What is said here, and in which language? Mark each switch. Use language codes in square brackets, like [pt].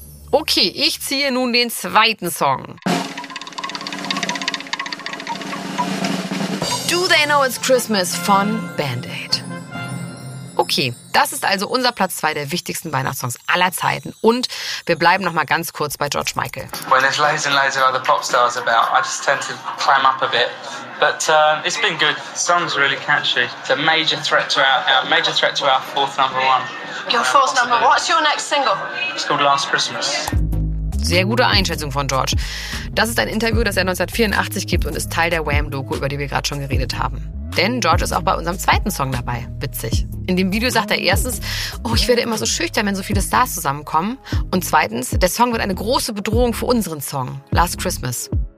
[de] Okay, ich ziehe nun den zweiten Song. Do They Know It's Christmas von Band-Aid. Okay, das ist also unser Platz 2 der wichtigsten Weihnachtssongs aller Zeiten. Und wir bleiben noch mal ganz kurz bei George Michael. [en] When there's loads and loads of other pop stars about, I just tend to clam up a bit. But it's been good. The song's really catchy. It's a major threat to our fourth number one. Your fourth number. What's your next single? It's called Last Christmas. [de] Sehr gute Einschätzung von George. Das ist ein Interview, das er 1984 gibt und ist Teil der Wham-Doku, über die wir gerade schon geredet haben. Denn George ist auch bei unserem zweiten Song dabei. Witzig. In dem Video sagt er erstens, ich werde immer so schüchtern, wenn so viele Stars zusammenkommen. Und zweitens, der Song wird eine große Bedrohung für unseren Song, Last Christmas.